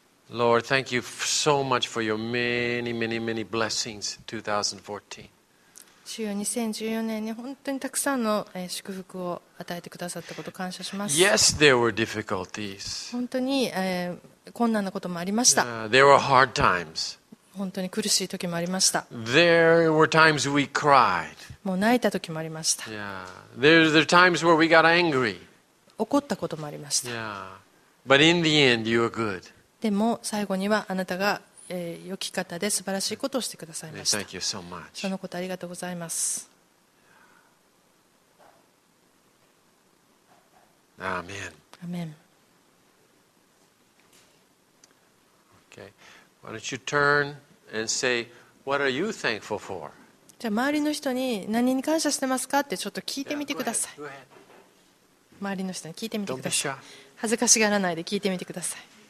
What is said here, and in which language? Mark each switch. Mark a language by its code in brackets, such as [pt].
[en] Lord, thank you so much for your many, many, many blessings in 2014. [ja] 主よ、2014年に本当にたくさんの祝福を与えてくださったことを感謝します。 [en] Yes, there were difficulties. [ja] 本当に、困難なこともありました。 [en] There were hard times. [ja] 本当に苦しい時もありました。 [en] There were times we cried. [ja] もう泣いた時もありました。 [en] Yeah. There were times where we got angry. [ja] 怒ったこともありました。 [en] Yeah. But in the end, you were good. [ja] でも最後にはあなたが、良き方で素晴らしいことをしてくださいました。 [en] Thank you so much. [ja] そのことありがとうございます。アーメン。アーメン。 [en] Okay. Why don't you turn and say, what are you thankful for? [ja] じゃあ周りの人に何に感謝してますかってちょっと聞いてみてください。周りの人に聞いてみてください。 [en] Don't be shy. [ja] 恥ずかしがらないで聞いてみてください。